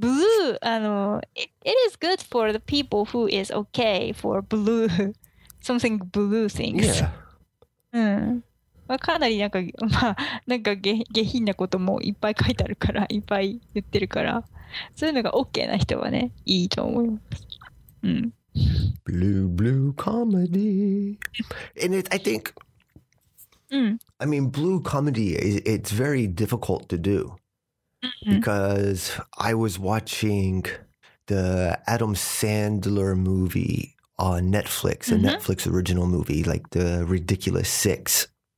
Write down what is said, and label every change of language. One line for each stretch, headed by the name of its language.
English: Blue, it is good for the people who is okay for blue, something blue things. Yeah.
Japanese: かなりなんか、なんか下品なこともいっぱい書いてあるから、いっぱい言ってるから、そういうのが OK な人はね、いいと思います。
English: Blue comedy. And I think, I mean, blue comedy, it's very difficult to do. Because I was watching the Adam Sandler movie on Netflix, a Netflix original movie, like The Ridiculous Six.